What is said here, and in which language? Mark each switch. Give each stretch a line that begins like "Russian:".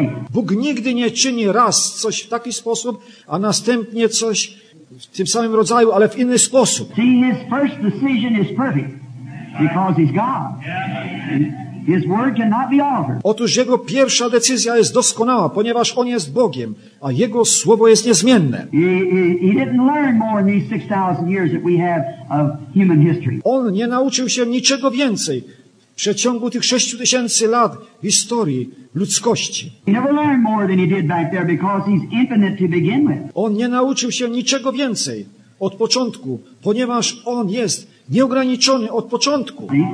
Polish: Bóg nigdy nie czyni raz coś w taki sposób, a następnie coś w tym samym rodzaju, ale w inny sposób.
English: See, his first decision is perfect because he's God. His word cannot be altered.
Polish: Otóż jego pierwsza decyzja jest doskonała, ponieważ on jest Bogiem, a jego słowo jest niezmienne.
English: He didn't learn more in these 6,000 years that we have of human history.
Polish: On nie nauczył się niczego więcej w przeciągu tych 6,000 lat w historii ludzkości.
English: He never learned more than he did back there because he's infinite to begin with.
Polish: On nie nauczył się niczego więcej od początku, ponieważ on jest nieograniczony od początku.